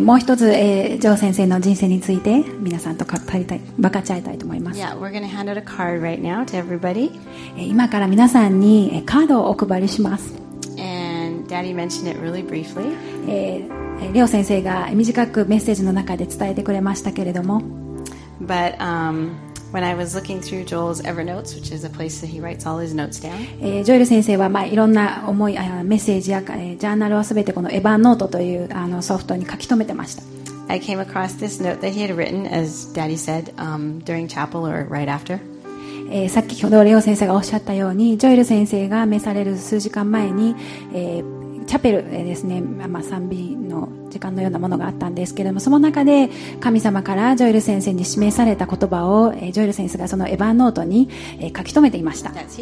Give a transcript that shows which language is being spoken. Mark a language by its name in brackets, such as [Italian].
[Japanese] もう一つ、ジョー先生の人生について皆さんと語りたい、分かち合いたいと思います。 [English] Yeah, we're gonna hand out a card right now to everybody. [Japanese] 今から皆さんに、カードをお配りします。 [English] And Daddy mentioned it really briefly. [Japanese] レオ先生が短くメッセージの中で伝えてくれましたけれども [English] But, when I was looking through Joel's Evernote, which is a place that he writes all his notes down. [Japanese] ジョエル先生は、まあ、いろんな思いメッセージや、ジャーナルをすべてこのエヴァノートというソフトに書き留めてました。 [English] I came across this note that he had written, as Daddy said, during chapel or right after. [Japanese] さっきほどレオ先生がおっしゃったように、ジョエル先生が召される数時間前に、チャペルですね、まあ、賛美の時間のようなものがあったんですけれども、その中で神様からジョエル先生に示された言葉をジョエル先生がそのエヴァノートに書き留めていました。